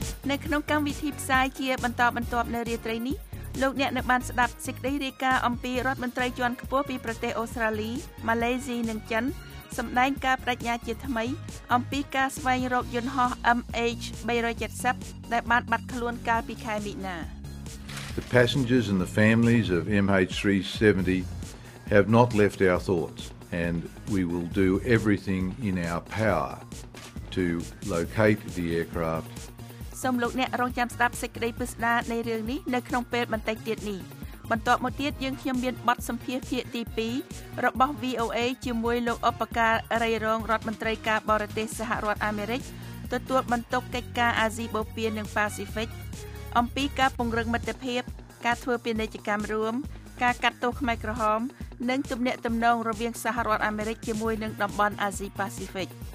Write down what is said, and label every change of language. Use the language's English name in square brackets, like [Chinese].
[Khmer] នៅក្នុងកម្មវិធីផ្សាយជាបន្តបន្ទាប់នៅរាត្រីនេះលោកអ្នកនៅបានស្ដាប់សេចក្តីរាយការណ៍អំពីរដ្ឋមន្ត្រីជាន់ខ្ពស់ពីប្រទេសអូស្ត្រាលីម៉ាឡេស៊ីនិងចិនសម្ដែងការបដិញ្ញាជាថ្មីអំពីការស្វែងរកយន្តហោះ MH370 ដែលបានបាត់ខ្លួនកាលពីខែមីនា [English] The passengers and the families of MH370 have not left our thoughts and we will do everything in our power to locate the aircraft [Khmer] សូមលោកអ្នករងចាំស្ដាប់សេចក្តីពិស្ដារនៃរឿងនេះនៅក្នុងពេលបន្តិចទៀតនេះបន្ទាប់មកទៀតយើងខ្ញុំមានបទសម្ភាសន៍ភាគទី2របស់ VOA ជាមួយលោកឧបការរៃរងរដ្ឋមន្ត្រីការបរទេសសហរដ្ឋអាមេរិកទទួលបន្ទុកកិច្ចការអាស៊ីបូព៌ានិងប៉ាស៊ីហ្វិកអំពីការពង្រឹងមិត្តភាពការធ្វើពាណិជ្ជកម្មរួមការកាត់ទោសខ្មែរក្រហមនិងទំនាក់ទំនងរវាងសហរដ្ឋអាមេរិកជាមួយនឹងតំបន់អាស៊ីប៉ាស៊ីហ្វិក